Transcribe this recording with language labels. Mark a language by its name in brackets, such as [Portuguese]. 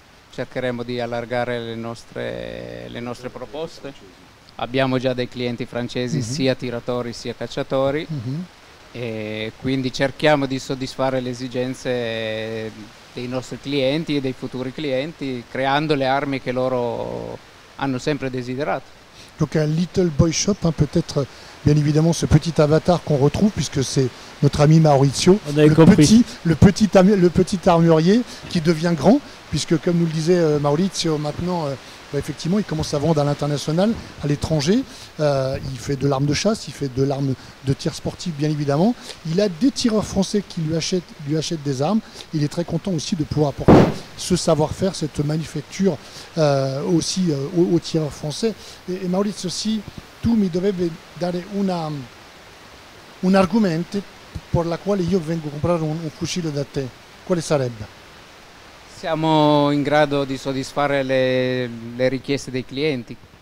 [Italian] Cercheremo di allargare le nostre proposte. Abbiamo già dei clienti francesi, mm-hmm. sia tiratori sia cacciatori. Mm-hmm. E quindi cerchiamo di soddisfare le esigenze dei nostri clienti e dei futuri clienti, creando le armi che loro hanno sempre desiderato. [French] Donc un Little Boy Shop, hein, peut-être bien évidemment ce petit avatar qu'on retrouve, puisque c'est notre ami Maurizio, le petit armurier qui devient grand, puisque comme nous le disait Maurizio, maintenant bah, effectivement il commence à vendre à l'international, à l'étranger, il fait de l'arme de chasse, il fait de l'arme de tir sportif bien évidemment, il a des tireurs français qui lui achètent des armes, il est très content aussi de pouvoir apporter ce savoir-faire, cette manufacture aussi aux tireurs français. [Italian] Et Maurizio, si tu mi dovevi dare un argomento per la quale io vengo a comprare un fucile da te, quale sarebbe? Siamo in grado di soddisfare le richieste dei clienti.